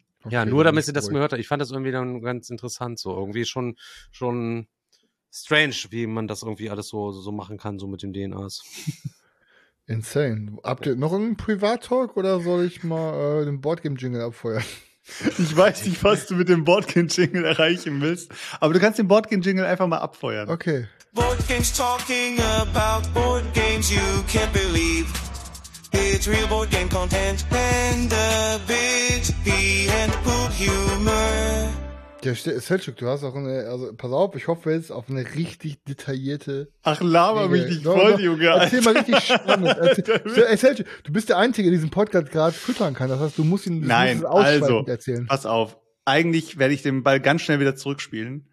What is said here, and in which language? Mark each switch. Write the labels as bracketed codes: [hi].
[de] Ja, nur damit sie das gehört hat. Ich fand das irgendwie dann ganz interessant, so irgendwie schon strange, wie man das irgendwie alles so machen kann, so mit dem DNAs. [en] Insane. [de] Habt ihr noch einen Privat-Talk oder soll ich mal den Boardgame-Jingle abfeuern? Ich weiß nicht, was du mit dem Boardgame-Jingle erreichen willst, aber du kannst den Boardgame-Jingle einfach mal abfeuern. Okay. [en] Boardgames talking about Boardgames you can't believe. It's real board game content and a bit and poop humor. [de] Ja, Selçuk, du hast auch eine, also pass auf, ich hoffe jetzt auf eine richtig detaillierte... Ach, laber Dinge. Mich nicht voll, Junge. Erzähl mal richtig spannend. Ey, Selçuk, du bist der Einzige, der diesen Podcast gerade füttern kann. Das heißt, du musst ihn ausschweifend erzählen. Nein, also, pass auf. Eigentlich werde ich den Ball ganz schnell wieder zurückspielen.